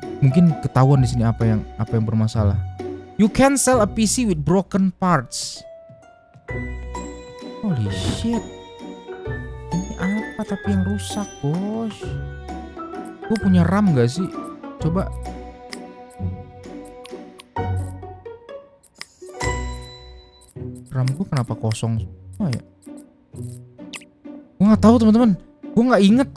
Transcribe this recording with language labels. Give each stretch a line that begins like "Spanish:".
Indonesian: Mungkin ketahuan di sini apa yang bermasalah.
English: You can sell a PC with broken parts. Holy shit,
Indonesian: ini apa tapi yang rusak bos? Gue punya RAM gak sih? Coba. RAM gue kenapa kosong? Oh ya. Gue nggak tahu teman-teman. Gue nggak inget.